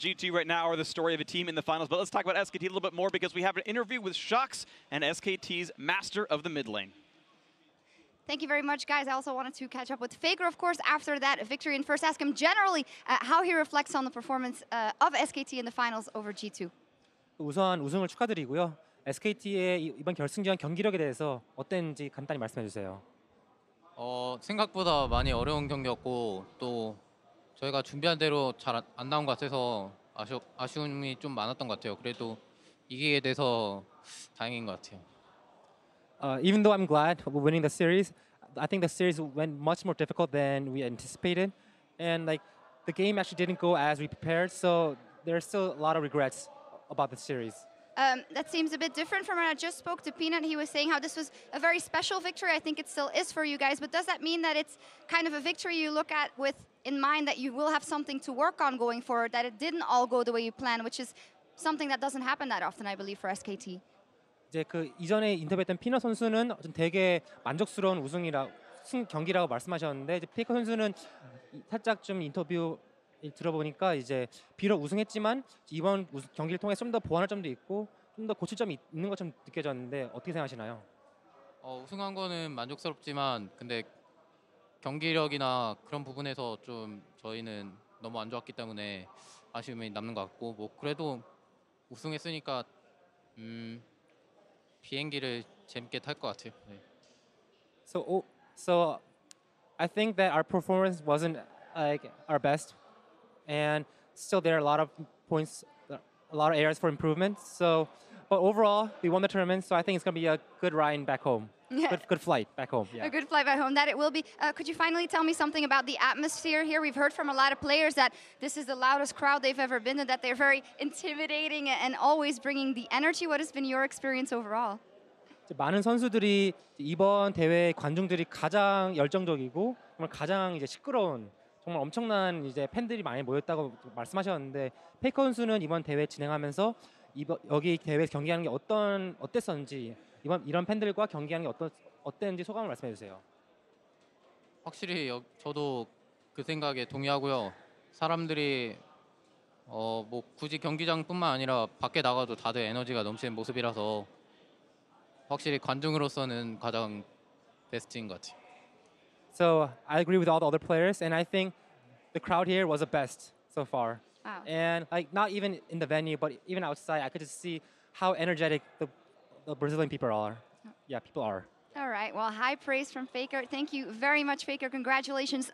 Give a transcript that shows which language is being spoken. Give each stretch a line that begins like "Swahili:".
English: G2 right now are the story of a team in the finals. But let's talk about SKT a little bit more, because we have an interview with Shox and SKT's master of the mid lane. Thank you very much, guys. I also wanted to catch up with Faker, of course, after that victory, and first ask him generally how he reflects on the performance of SKT in the finals over G2.
Korean: 우선 우승을 축하드리고요. SKT의 이번 결승전 경기력에 대해서 어땠는지 간단히 말씀해 주세요. 생각보다 많이 어려운 경기였고 또 저희가 준비한 대로 잘 안 나온 것 같아서 아쉬움이 좀 많았던 것 같아요. 그래도 이기게 돼서 다행인 것 같아요.
English: Even though I'm glad we're winning the series, I think the series went much more difficult than we anticipated. And like, the game actually didn't go as we prepared, so there are still a lot of regrets about the series. That seems a bit different from when I just spoke to Peanut. He was saying how this was a very special victory. I think it still is for you guys. But does that mean that it's kind of a victory you look at with in mind that you will have something to work on going forward, that it didn't all go the way you planned, which is something that doesn't happen that often, I believe, for SKT?
Korean: 이제 그 이전에 인터뷰했던 피너 선수는 되게 만족스러운 우승이라 승 경기라고 말씀하셨는데 이제 페이커 선수는 살짝 좀 인터뷰 들어보니까 이제 비록 우승했지만 이번 우승 경기를 통해 좀 더 보완할 점도 있고 좀 더 고칠 점이 있는 것처럼 느껴졌는데 어떻게 생각하시나요? 우승한 거는 만족스럽지만 근데 경기력이나 그런 부분에서 좀 저희는 너무 안 좋았기 때문에 아쉬움이 남는 것 같고 뭐 그래도 우승했으니까 비행기를 재밌게 탈 것 같아요. 네.
English: So I think that our performance wasn't like our best, and still there are a lot of points, a lot of areas for improvement. So, but overall, we won the tournament, so I think it's going to be a good ride back home. good flight back home. Yeah. A good flight back home, that it will be. Could you finally tell me something about the atmosphere here? We've heard from a lot of players that this is the loudest crowd they've ever been in, that they're very intimidating and always bringing the energy. What has been your experience overall?
Korean: 많은 선수들이 이번 대회 관중들이 가장 열정적이고 정말 가장 이제 시끄러운 정말 엄청난 이제 팬들이 많이 모였다고 말씀하셨는데 페이커 선수는 이번 대회 진행하면서 여기 대회 경기하는 게 어땠었는지 이런 팬들과 경기하는 게 어땠는지 소감을 말씀해 주세요. 확실히 저도 그 생각에 동의하고요. 사람들이 뭐 굳이 경기장뿐만 아니라 밖에 나가도 다들 에너지가 넘치는 모습이라서 확실히 관중으로서는 가장 베스트인 것 같아요.
English: So I agree with all the other players, and I think the crowd here was the best so far. Wow. And like not even in the venue, but even outside, I could just see how energetic the Brazilian people are. Yeah, people are. All right. Well, high praise from Faker. Thank you very much, Faker. Congratulations.